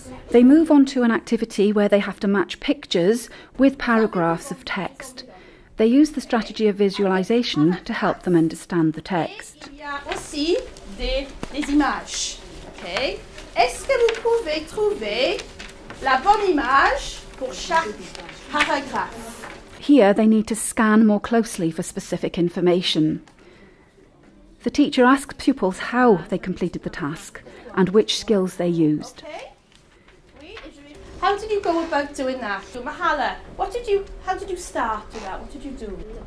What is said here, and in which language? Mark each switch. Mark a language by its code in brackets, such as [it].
[en] They move on to an activity where they have to match pictures with paragraphs of text. They use the strategy of visualisation to help them understand the text. [fr] Il y a aussi des images, okay? Est-ce que vous pouvez trouver la bonne image pour chaque paragraphe? [en] Here they need to scan more closely for specific information. The teacher asks pupils how they completed the task and which skills they used. Okay. How did you go about doing that? So Mahala, how did you start with that? What did you do?